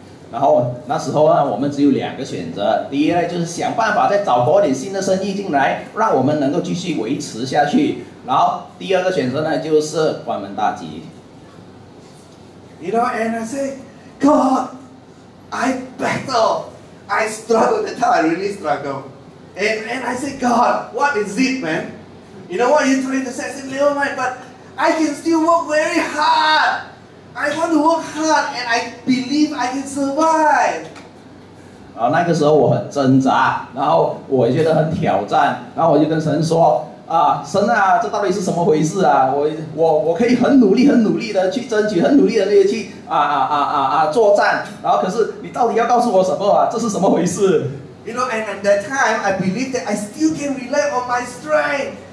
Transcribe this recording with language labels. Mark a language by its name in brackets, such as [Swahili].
[Chinese] 然后那时候我们只有两个选择，第一呢就是想办法再找多点新的生意进来，让我们能够继续维持下去。然后第二个选择呢就是关门大吉。 [English] You know, and I say, God. I battle, I struggle, that time I really struggle. And I say, God, what is it, man? You know what, you're trying to say, I say, little man, but I can still work very hard. I want to work hard, and I believe I can survive. [Chinese] 那个时候我很挣扎，然后我觉得很挑战，然后我就跟神说，神啊，这到底是什么回事啊？我可以很努力、很努力的去争取，很努力的那去作战。然后可是你到底要告诉我什么啊？这是什么回事 [English] ？You know, and at that time, I believe that I still can rely on my strength.